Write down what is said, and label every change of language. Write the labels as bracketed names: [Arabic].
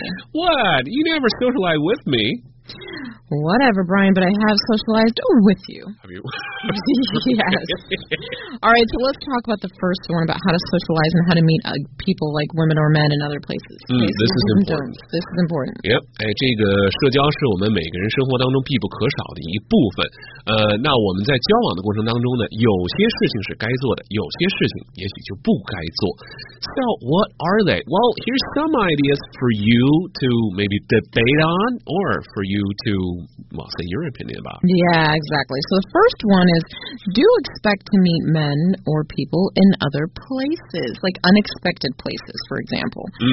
[English] What? You never socialize with me. Whatever, Brian, but I have socialized with you. Have you? Yes. All right, so let's talk about the first one, about how to socialize and how to meet people like women or men in other places. This is important. Yep. [Chinese] 这个社交是我们每个人生活当中必不可少的一部分。那我们在交往的过程当中呢，有些事情是该做的，有些事情也许就不该做。 [English] So, what are they? Well, here's some ideas for you to maybe debate on or for you to... Well, say your opinion about. Yeah, exactly. So the first one is, do expect to meet men or people in other places, like unexpected places, for example.